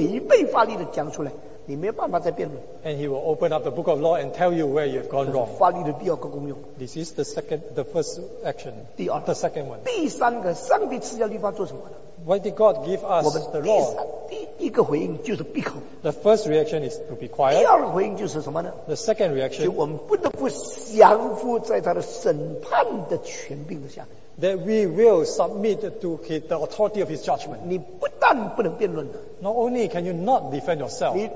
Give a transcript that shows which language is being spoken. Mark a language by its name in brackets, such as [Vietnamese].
[Chinese] 然后他就把法典开起来，第几条第几条明文规定你做的是违背法律的讲出来，你没有办法再辩论。 [English] And he will open up the book of law and tell you where you have gone wrong. [Chinese] 法律的第二个功用。 [English] This is the second, the first action. [Chinese] 第二, [English] the second one. [Chinese] 第三个, 上帝赐下律法做什么呢? [English] Why did God give us the law? [Chinese] 第一个回应就是闭口。 [English] The first reaction is to be quiet. [Chinese] 第二个回应就是什么呢? [English] The second reaction. [Chinese] 就我们不得不降服在他的审判的权柄下面。 [English] That we will submit to the authority of his judgment. [Chinese] 你不但不能辩论, [English] not only can you not defend yourself.